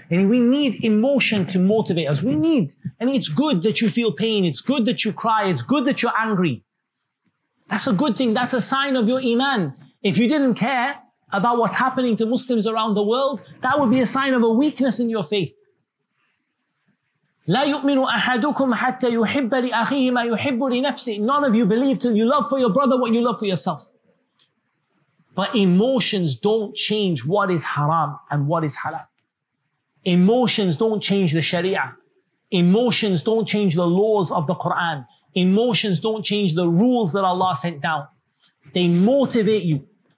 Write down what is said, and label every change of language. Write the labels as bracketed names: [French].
[English] And we need emotion to motivate us. And it's good that you feel pain. It's good that you cry. It's good that you're angry. That's a good thing. That's a sign of your iman. If you didn't care about what's happening to Muslims around the world, that would be a sign of a weakness in your faith. [Arabic] لا يؤمن أحدكم حتى يحب لأخيه ما يحب لنفسه. [English] None of you believe till you love for your brother what you love for yourself. But emotions don't change what is haram and what is halal. Emotions don't change the sharia. Emotions don't change the laws of the Quran. Emotions don't change the rules that Allah sent down. They motivate you.